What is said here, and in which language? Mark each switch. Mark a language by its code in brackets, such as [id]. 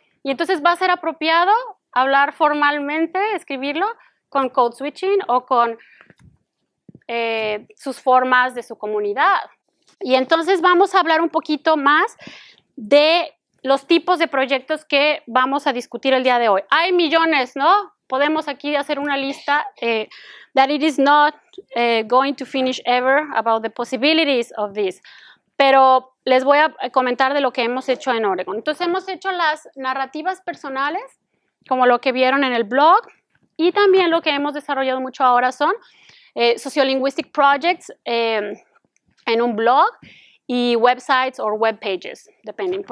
[es] Y entonces va a ser apropiado hablar formalmente, escribirlo con code switching o con sus formas de su comunidad. Y entonces vamos a hablar un poquito más de los tipos de proyectos que vamos a discutir el día de hoy. Hay millones, ¿no? Podemos aquí hacer una lista [en] that it is not going to finish ever about the possibilities of this. [es] Pero les voy a comentar de lo que hemos hecho en Oregon. Entonces hemos hecho las narrativas personales, como lo que vieron en el blog, y también lo que hemos desarrollado mucho ahora son [en] sociolinguistic projects [es] en un blog y [en] websites or web pages, [es] depending.